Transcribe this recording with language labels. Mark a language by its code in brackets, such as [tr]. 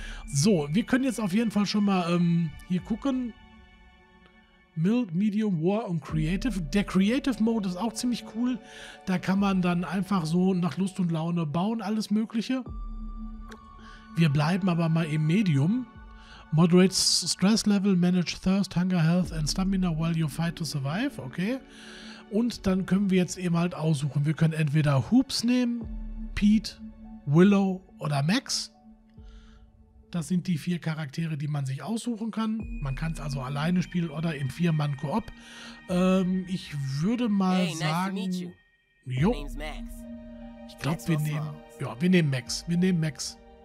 [de] So, wir können jetzt auf jeden Fall schon mal hier gucken. Mild, Medium, War und Creative. Der Creative Mode ist auch ziemlich cool. Da kann man dann einfach so nach Lust und Laune bauen, alles Mögliche. Wir bleiben aber mal im Medium. [en] Moderates Stress Level, Manage Thirst, Hunger, Health and Stamina while you fight to survive. [de] Okay. Und dann können wir jetzt eben halt aussuchen. Wir können entweder Hoops nehmen, Pete, Willow oder Max. Das sind die vier Charaktere, die man sich aussuchen kann. Man kann es also alleine spielen oder im Vier-Mann-Koop. Ich würde mal sagen... Jo. Ich glaube, wir nehmen... Ja, wir nehmen Max. Wir nehmen Max.